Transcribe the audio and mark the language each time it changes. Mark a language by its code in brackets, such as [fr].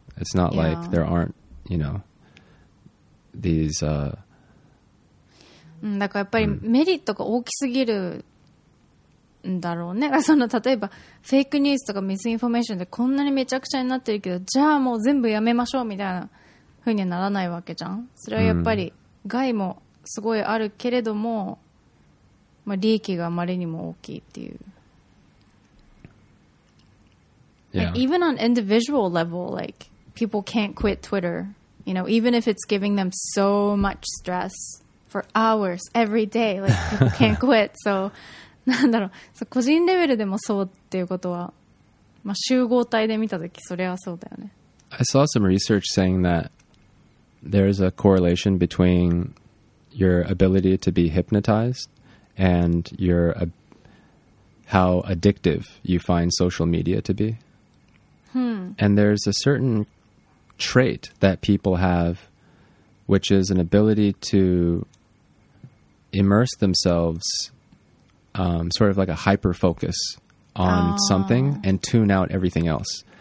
[en] It's not like there aren't, you know, these [ja] だからやっぱりメリットが大きすぎるんだろうね。その例えばフェイクニュースとかミスインフォメーションでこんなにめちゃくちゃになってるけど、じゃあもう全部やめましょうみたいな風にならないわけじゃん。それはやっぱり害もすごいあるけれども、まあ、利益があまりにも大きいっていう。 [en] Yeah. Like, even on individual level, like, people can't quit Twitter. You know, even if it's giving them so much stress for hours every day, like, people can't quit. [ja] So, なんだろう。そう、個人レベルでもそうっていうことは、まあ、集合体で見たとき、それはそうだよね。 [en] I saw some research saying that there's a correlation between your ability to be hypnotized and how addictive you find social media to be. And there's a certain trait that people have, which is an ability to immerse themselves, sort of like a hyper-focus on something and tune out everything else.